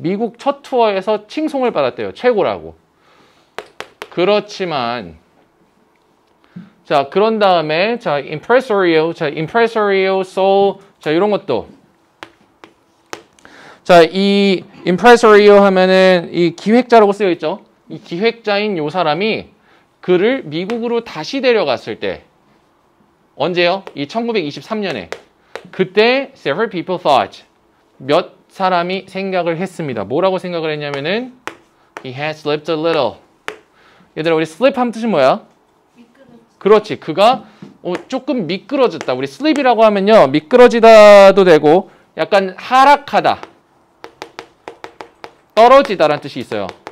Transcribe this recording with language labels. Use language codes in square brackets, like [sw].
[ko] 미국 첫 투어에서 칭송을 받았대요. 최고라고. 그렇지만 자, 그런 다음에 자, impresario. 자, impresario soul 자, 이런 것도. 자, 이 impresario 하면은 이 기획자라고 쓰여 있죠? 이 기획자인 요 사람이 그를 미국으로 다시 데려갔을 때. 언제요? 이 1923년에. 그때 [en] several people thought. [ko] 몇 사람이 생각을 했습니다. 뭐라고 생각을 했냐면은 [en] he has slipped a little. [ko] 얘들아, 우리 slip 하면 뜻이 뭐야? 그렇지. 그가 조금 미끄러졌다. 우리 slip이라고 하면요. 미끄러지다도 되고, 약간 하락하다. 떨어지다란 뜻이 있어요.